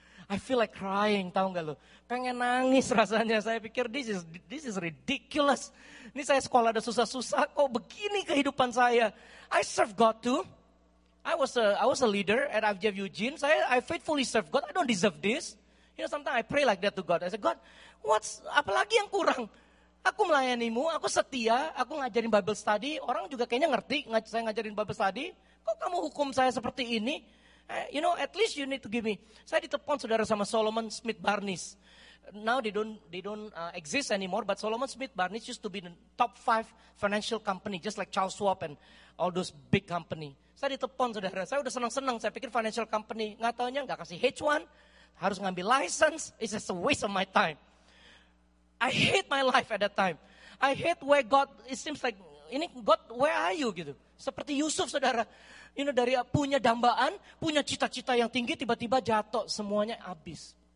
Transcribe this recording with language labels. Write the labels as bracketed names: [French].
[English] I feel like crying, [Indonesian] tahu gak lu? Pengen nangis rasanya, saya pikir [English] this is ridiculous. [Indonesian] Ini saya sekolah ada susah-susah, kok begini kehidupan saya? [English] I serve God too. I was a leader at FGF Eugene. I faithfully serve God, I don't deserve this. You know, sometimes I pray like that to God. I say, God, [Indonesian] apalagi yang kurang? Aku melayanimu, aku setia, aku ngajarin Bible study, orang juga kayaknya ngerti, saya ngajarin Bible study, kok kamu hukum saya seperti ini? [English] You know, at least you need to give me. [Indonesian] Saya ditelepon saudara sama Solomon Smith Barnes. [English] Now they don't exist anymore, but Solomon Smith Barnes used to be the top 5 financial company, just like Charles Schwab and all those big company. [Indonesian] Saya ditelepon saudara, saya udah senang-senang, saya pikir financial company, gak taunya gak kasih H1, harus ngambil license, [English] it's just a waste of my time. I hate my life at that time. I hate where God, it seems like, ini God, where are you? [Indonesian] Gitu. Seperti Yusuf, saudara. [English] You know, [Indonesian] dari punya dambaan, punya cita-cita yang tinggi, tiba-tiba jatuh, semuanya habis.